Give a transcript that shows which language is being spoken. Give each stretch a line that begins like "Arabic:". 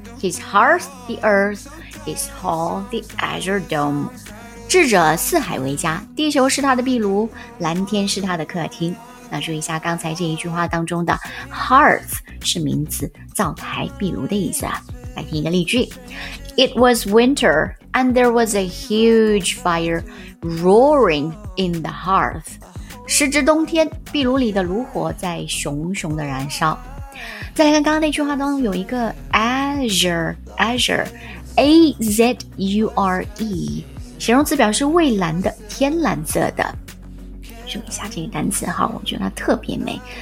English: His heart the earth, his hall the azure dome.
Chinese: 智者四海为家，地球是他的壁炉，蓝天是他的客厅。那注意一下刚才这一句话当中的 hearth 是名词，灶台壁炉的意思啊。来听一个例句，
English: It was winter and there was a huge fire roaring in the hearth.
Chinese: 时值冬天，壁炉里的炉火在熊熊的燃烧。再来看刚刚那句话当中有一个 azure Azure， 形容词表示蔚蓝的，天蓝色的。注意一下这个单词哈，我觉得它特别美。